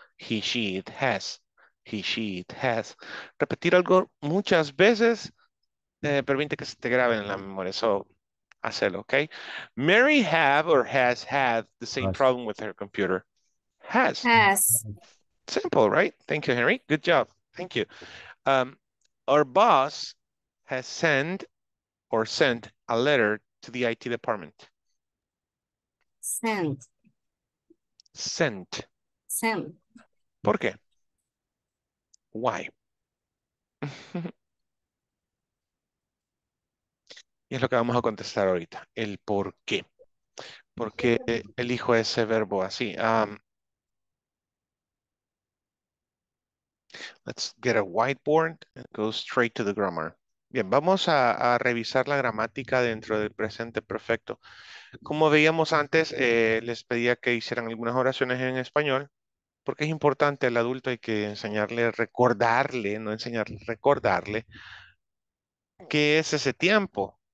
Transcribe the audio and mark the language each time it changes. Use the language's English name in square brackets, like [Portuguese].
[Spanish] Repetir algo muchas veces permite que se te grabe en la memoria. So, hacerlo, okay? [English] Mary have or has had the same problem with her computer. Has. Simple, right? Thank you, Henry. Good job. Thank you. Our boss has sent a letter to the IT department. Sent. [Spanish] ¿Por qué? [English] Why? [Spanish] Y es lo que vamos a contestar ahorita. El por qué. ¿Por qué elijo ese verbo así? [English] Let's get a whiteboard and go straight to the grammar. [Spanish] Bien, vamos a revisar la gramática dentro del presente perfecto. Como veíamos antes, les pedía que hicieran algunas oraciones en español, porque es importante al adulto, hay que recordarle qué es ese tiempo.